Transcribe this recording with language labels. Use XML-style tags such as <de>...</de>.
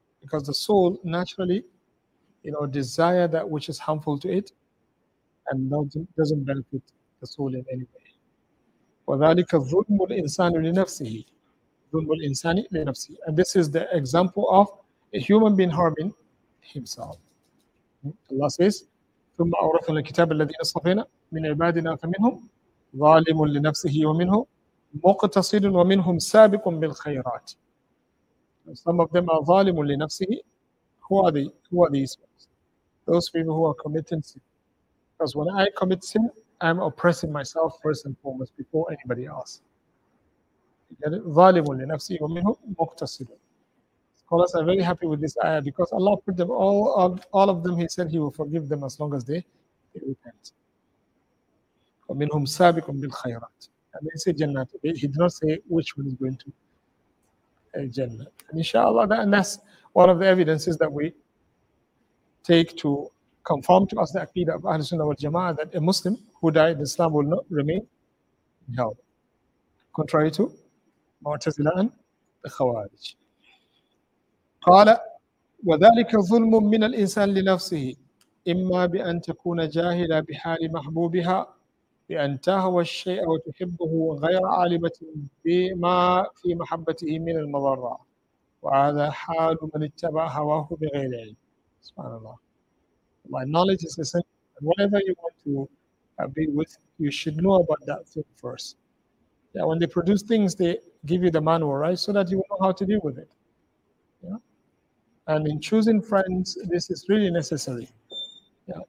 <en>Because the soul naturally, you know, desire that which is harmful to it and doesn't benefit the soul in any way.</en> <ar>وَذَلِكَ ظُلْمُ الْإِنسَانِ لِنَفْسِهِ. ظُلْمُ الْإِنسَانِ لِنَفْسِهِ.</ar> <en>And this is the example of a human being harming himself. Allah says,</en> <ar>ثُمَّ أَوْرَثَ الْكِتَابَ الَّذِينَ اصْطَفَيْنَا مِنْ عِبَادِنَا فَمِنْهُمْ ظَالِمٌ لِنَفْسِهِ وَمِنْهُمْ مُقْتَصِدٌ وَمِنْهُمْ سَابِقٌ بِالْخَيْرَاتِ.</ar> <en>Some of them are</en> <ar>ظَالِمٌ لِنَفْسِهِ.</ar> <en>Who are these ones? Those people who are committing sin. Because when I commit sin, I'm oppressing myself first and foremost before anybody else. You get it?</en> <ar>ظَالِمٌ لِنَفْسِهِ وَمِنْهُمْ مُقْتَصِدٌ.</ar> <en>Scholars are very happy with this ayah because Allah put them all of them, He said He will forgive them as long as they repent.</en> <ar>وَمِنْهُمْ سَابِقٌ بِالْخَيْرَاتِ.</ar> <en>And they say Jannah. He did not say which one is going to Jannah. And inshallah, and that's one of the evidences that we take to confirm to us the aqeedah of Ahl Sunnah wal Jama'ah that a Muslim who died in Islam will not remain in hell. Contrary to Mu'tazila and the Khawarij.</en> <ar>قال وذلك ظلم من الإنسان لنفسه إما بأن تكون جاهلا بحال محبوبها بأن تهوى الشيء وتحبه غير عالمة بما في محبته من المضرة وهذا حال من اتبع هواه بغير علم. سبحان الله.</ar> <en>My knowledge is essential. And whatever you want to be with, you should know about that thing first. Yeah, when they produce things, they give you the manual, right? So that you know how to deal with it. Yeah. And in choosing friends, this is really necessary. Yeah.</en>